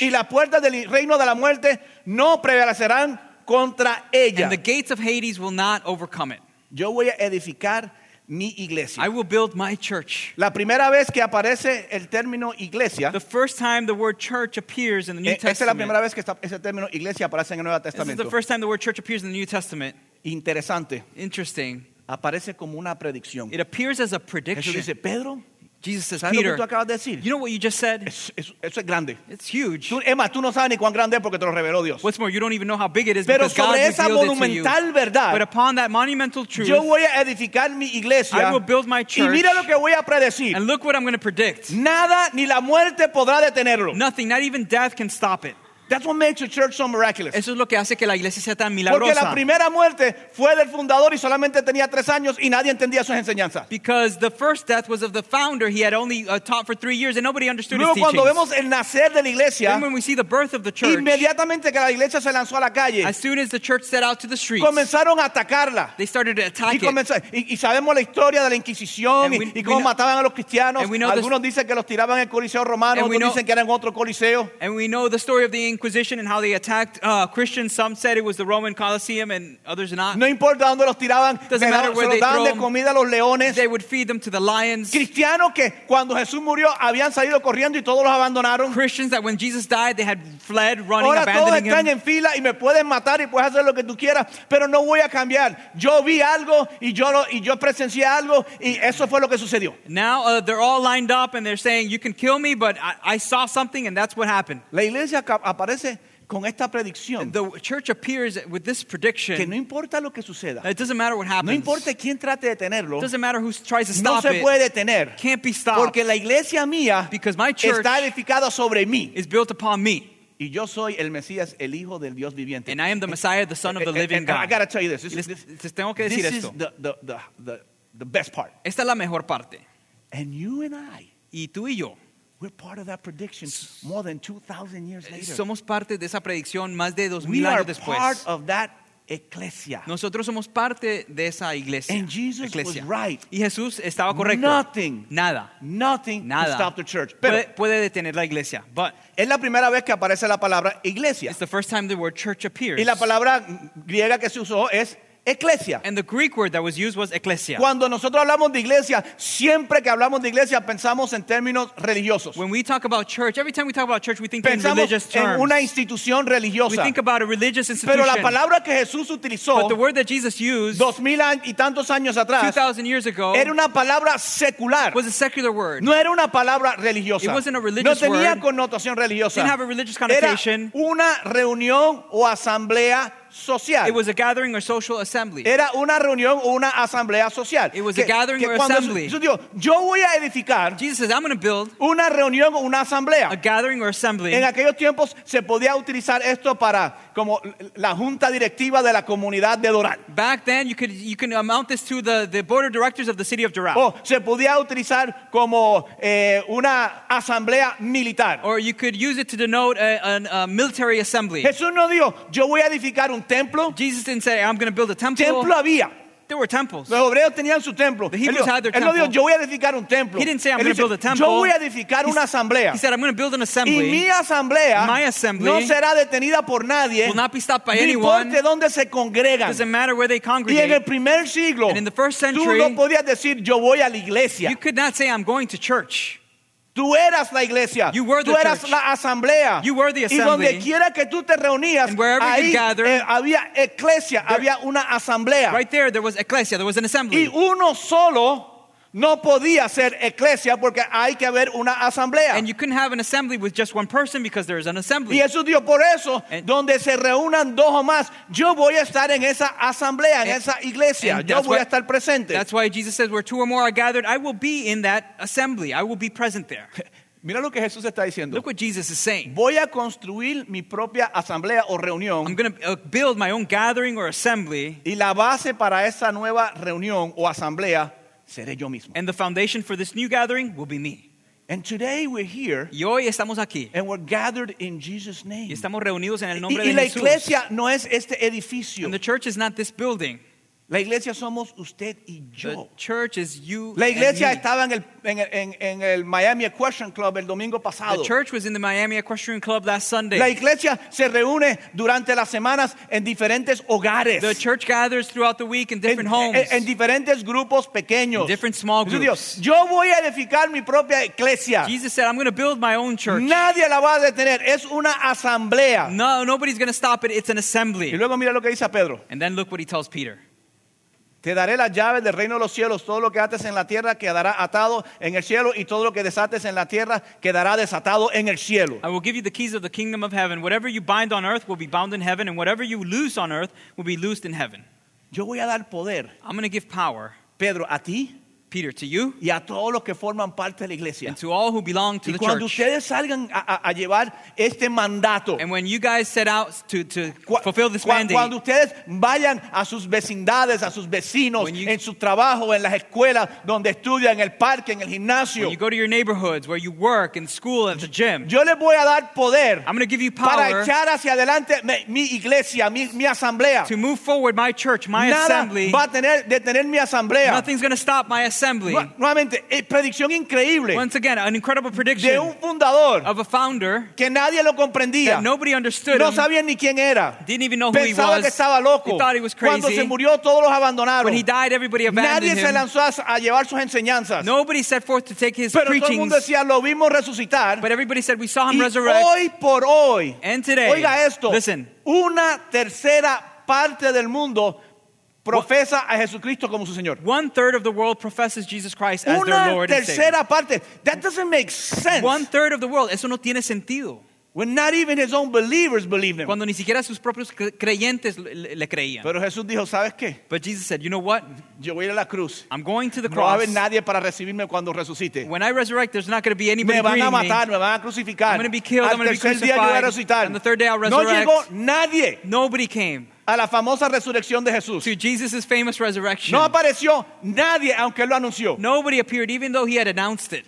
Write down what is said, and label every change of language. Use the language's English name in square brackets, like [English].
[Spanish] Y la puerta del reino de la muerte no prevalecerán contra ella. [English] And the gates of Hades will not overcome it. [Spanish] Yo voy a edificar mi iglesia. [English] I will build my church. [Spanish] La primera vez que aparece el término iglesia. [English] The first time the word church appears in the New Testament. [Spanish] Esa es la primera vez que ese término iglesia aparece en el Nuevo Testamento. [English] This is the first time the word church appears in the New Testament. [Spanish] Interesante. [English] Interesting. [Spanish] Aparece como una predicción. [English] It appears as a prediction. [Spanish] Jesús dice, Pedro. [English] Jesus says, [Spanish] ¿sabes [English] Peter, [Spanish] lo que tú acabas de decir? [English] You know what you just said? [Spanish] Eso es grande. [English] It's huge. [Spanish] Tú, Emma, tú no sabes ni cuán grande es porque te lo reveló Dios. [English] What's more, you don't even know how big it is. [Spanish] Pero [English] because [Spanish] sobre [English] God [Spanish] esa monumental verdad, [English] but upon that monumental truth, [Spanish] yo voy a edificar mi iglesia. [English] I will build my church. [Spanish] Y mira lo que voy a predecir. [English] And look what I'm going to predict. [Spanish] Nada ni la muerte podrá detenerlo. [English] Nothing, not even death can stop it. That's what makes the church so miraculous. [Spanish] Eso es lo que hace que la iglesia sea tan milagrosa. Porque la primera muerte fue del fundador y solamente tenía 3 años y nadie entendía sus enseñanzas. [English] Because the first death was of the founder, he had only taught for 3 years and nobody understood [Spanish] luego, Luego cuando vemos el nacer de la iglesia, [English] then when we see the birth of the church, [Spanish] inmediatamente que la iglesia se lanzó a la calle, [English] as soon as the church set out to the streets, [Spanish] comenzaron a atacarla. [English] They started to attack [Spanish] y comenzó, [English] it. [Spanish] Y sabemos la historia de la Inquisición y cómo mataban a los cristianos. Algunos dicen que los tiraban en el Coliseo Romano, otros dicen que eran otro Coliseo. [English] And we know the story of the Inquisition and how they attacked Christians. Some said it was the Roman Colosseum and others not. [Spanish] No importa dónde los tiraban, [English] doesn't matter where they [Spanish] daban de comida a los leones. [English] They would feed them to the lions. [Spanish] Cristianos que cuando Jesús murió habían salido corriendo y todos los abandonaron. [English] Christians that when Jesus died they had fled, running, [Spanish] ahora [English] abandoning [Spanish] todos están [English] him. [Spanish] En fila y me pueden matar y puedes hacer lo que tú quieras, pero no voy a cambiar. Yo vi algo y yo presencié algo y eso fue lo que sucedió. [English] Now they're all lined up and they're saying you can kill me, but I saw something and that's what happened. [Spanish] La iglesia aparece con esta predicción. [English] The church appears with this prediction. [Spanish] Que no importa lo que suceda. [English] It doesn't matter what happens. [Spanish] No importa quién trate de detenerlo. [English] It doesn't matter who tries to stop it. [Spanish] No se puede detener. [English] Can't be stopped. [Spanish] Porque la iglesia mía, [English] because my church, [Spanish] está edificada sobre mí. [English] Is built upon me. [Spanish] Y yo soy el Mesías, el Hijo del Dios viviente. [English] And I am the Messiah, the Son of the Living God. I gotta tell you this. [Spanish] Tengo que decir esto. [English] This is the best part. [Spanish] Esta es la mejor parte. [English] And you and I. [Spanish] Y tú y yo. [English] We're part of that prediction more than 2,000 years later. [Spanish] Somos parte de esa predicción más de 2,000 años después. [English] We are part of that ecclesia. [Spanish] Nosotros somos parte de esa iglesia. [English] And Jesus ecclesia. Was right. [Spanish] Y Jesús estaba correcto. [English] Nothing. [Spanish] Nada. [English] Nothing. [Spanish] Nada. [English] Can stop the church. [Spanish] Pero, puede detener la iglesia. [English] But [Spanish] es la primera vez que aparece la palabra iglesia. [English] It's the first time the word church appears. [Spanish] Y la palabra griega que se usó es ecclesia. [English] And the Greek word that was used was ecclesia. [Spanish] Cuando nosotros hablamos de iglesia, siempre que hablamos de iglesia, pensamos en términos religiosos. [English] When we talk about church, every time we talk about church, we think [Spanish] pensamos [English] in religious terms. [Spanish] En una institución religiosa. [English] We think about a religious institution. [Spanish] Pero la palabra que Jesús utilizó, [English] but the word that Jesus used, [Spanish] 2,000 y tantos años atrás, [English] 2,000 years ago, [Spanish] era una palabra secular. [English] Was a secular word. [Spanish] No era una palabra religiosa. [English] It wasn't a religious word. [Spanish] No tenía [English] word. [Spanish] Connotación religiosa. [English] It didn't have a religious connotation. [Spanish] Era una reunión o asamblea social. [English] It was a gathering or social assembly. [Spanish] Era una reunión o una asamblea social. [English] It was a gathering or assembly. [Spanish] Jesús dijo, yo voy a edificar. [English] Jesus says, I'm going to build [Spanish] una reunión o una asamblea. [English] A gathering or assembly. [Spanish] En aquellos tiempos se podía utilizar esto para como la junta directiva de la comunidad de Doral. [English] Back then, you can amount this to the board of directors of the city of Doral. [Spanish] O se podía utilizar como una asamblea militar. [English] Or you could use it to denote a military assembly. [Spanish] Jesús no dijo, yo voy a edificar un templo. [English] Jesus didn't say, I'm going to build a temple. [Spanish] Templo había. [English] There were temples. [Spanish] Los obreros tenían su templo. [English] The Hebrews had their temple. [Spanish] Él dijo, yo voy a edificar un templo. [English] He didn't say, I'm going to build a temple. [Spanish] Yo voy a edificar una asamblea. [English] He said, I'm going to build an assembly. [Spanish] Y mi asamblea, [English] my assembly, [Spanish] no será detenida por nadie. [English] Will not be stopped by anyone. [Spanish] No importa dónde se congregan. [English] It doesn't matter where they congregate. [Spanish] Y en el primer siglo, [English] and in the first century, [Spanish] tú no podías decir, yo voy a la iglesia. [English] You could not say, I'm going to church. [Spanish] Tú eras la iglesia. [English] You were the [Spanish] tú eras [English] church. [Spanish] La asamblea. [English] You were the assembly. [Spanish] Y donde quiera que tú te reunías, ahí [English] gathered, [Spanish] había eclesia, [English] there, [Spanish] había una asamblea. [English] Right there, there was ecclesia, there was an assembly. [Spanish] Y uno solo no podía ser eclesia porque hay que haber una asamblea. [English] And you couldn't have an assembly with just one person because there is an assembly. [Spanish] Y Jesús dijo, por eso, [English] and, [Spanish] donde se reúnan dos o más, yo voy a estar en esa asamblea, en esa iglesia. Yo voy a estar presente. [English] That's why Jesus says, where two or more are gathered, I will be in that assembly. I will be present there. [Spanish] Mira lo que Jesús está diciendo. [English] Look what Jesus is saying. [Spanish] Voy a construir mi propia asamblea o reunión. [English] I'm going to build my own gathering or assembly. [Spanish] Y la base para esa nueva reunión o asamblea seré yo mismo. [English] And the foundation for this new gathering will be me. And today we're here. [Spanish] Y hoy estamos aquí. [English] And we're gathered in Jesus' name. [Spanish] Y estamos reunidos en el nombre y la Jesús. Iglesia no es este edificio. [English] And the church is not this building. [Spanish] La iglesia somos usted y yo. [English] The church is you and me. [Spanish] La iglesia estaba en el Miami Equestrian Club el domingo pasado. [English] The church was in the Miami Equestrian Club last Sunday. [Spanish] La iglesia se reúne durante las semanas en diferentes hogares. [English] The church gathers throughout the week in different homes. [Spanish] En diferentes grupos pequeños. [English] In different small groups. [Spanish] Dios, yo voy a edificar mi propia iglesia. [English] Jesus said, I'm going to build my own church. [Spanish] Nadie la va a detener. Es una asamblea. [English] No, nobody's going to stop it. It's an assembly. [Spanish] Y luego mira lo que dice a Pedro. [English] And then look what he tells Peter. [Spanish] Te daré las llaves del reino de los cielos. Todo lo que ates en la tierra quedará atado en el cielo. Y todo lo que desates en la tierra quedará desatado en el cielo. [English] I will give you the keys of the kingdom of heaven. Whatever you bind on earth will be bound in heaven. And whatever you loose on earth will be loosed in heaven. [Spanish] Yo voy a dar poder. [English] I'm going to give power. [Spanish] Pedro, a ti. [English] Peter, to you. [Spanish] Y a todos los que forman parte de la iglesia. [English] And to all who belong to [Spanish] y [English] the church. [Spanish] Y cuando ustedes salgan a llevar este mandato. [English] And when you guys set out to fulfill this mandate. [Spanish] Cuando ustedes vayan a sus vecindades, a sus vecinos, en su trabajo, en las escuelas, donde estudian, en el parque, en el gimnasio. [English] When you go to your neighborhoods, where you work, in school, at the gym. [Spanish] Yo les voy a dar poder. [English] I'm going to give you power. [Spanish] Para echar hacia adelante mi iglesia, mi asamblea. [English] To move forward my church, my [Spanish] nada [English] assembly. [Spanish] Nada va a tener detener mi asamblea. [English] Nothing's going to stop my assembly. [Spanish] Nuevamente, predicción increíble. [English] Once again, an incredible prediction [Spanish] de un fundador [English] of a founder [Spanish] que nadie lo comprendía. [English] That nobody understood [Spanish] no [English] him. [Spanish] Sabía ni quién era. [English] Didn't even know [Spanish] pensaba [English] who he was. [Spanish] Que estaba loco. [English] He thought he was crazy. [Spanish] Cuando se murió, todos los abandonaron. [English] When he died, everybody abandoned him. [Spanish] Se lanzó a llevar sus enseñanzas. [English] Nobody set forth to take his [Spanish] pero [English] preachings. [Spanish] Todo el mundo decía, lo vimos resucitar. [English] But everybody said, we saw him resurrect. [Spanish] Hoy por hoy, [English] and today, [Spanish] oiga esto, [English] listen, [Spanish] una tercera parte del mundo profesa a Jesucristo como su Señor. [English] One third of the world professes Jesus Christ as [Spanish] una [English] their Lord and Savior. [Spanish] Una tercera parte. [English] That doesn't make sense. One third of the world. [Spanish] Eso no tiene sentido. [English] When not even his own believers believed him. [Spanish] Cuando ni siquiera sus propios creyentes le creían. Pero Jesús dijo, ¿sabes qué? [English] But Jesus said, you know what? [Spanish] Yo voy a la cruz. [English] I'm going to the cross. [Spanish] No va a haber nadie para recibirme cuando resucite. [English] When I resurrect, there's not going to be anybody greeting me. [Spanish] Me van a matar, me van a crucificar. [English] I'm going to be killed, I'm going to be crucified. [Spanish] Al tercer día yo voy a resucitar. [English] And the third day I'll resurrect. [Spanish] No llegó nadie. [English] Nobody came. [Spanish] A la famosa resurrección de Jesús. [English] To Jesus' famous resurrection. [Spanish] No apareció nadie, aunque lo anunció. [English] Nobody appeared, even though he had announced it.